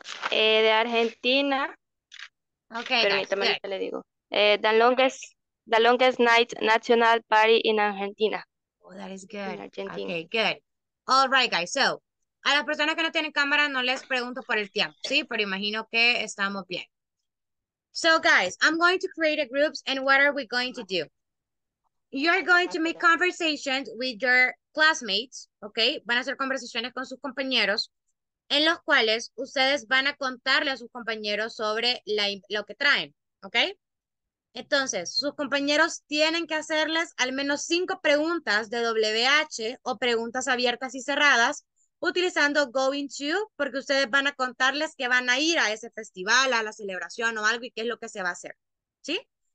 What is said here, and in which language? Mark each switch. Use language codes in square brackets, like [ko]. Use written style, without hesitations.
[es] De Argentina. Ok. Permítame que le digo. [en] The longest night national party in Argentina. Oh, that is good. In Argentina. Okay, good. All right, guys. [es] So, a las personas que no tienen cámara, no les pregunto por el tiempo, ¿sí? Pero imagino que estamos bien. [en] So, guys, I'm going to create a groups and what are we going to do? you're going to make conversations with your classmates, okay? [es] Van a hacer conversaciones con sus compañeros, en los cuales ustedes van a contarle a sus compañeros sobre lo que traen, okay? Entonces, sus compañeros tienen que hacerles al menos 5 preguntas de WH o preguntas abiertas y cerradas, utilizando going to, porque ustedes van a contarles que van a ir a ese festival, a la celebración o algo, y qué es lo que se va a hacer, ¿sí?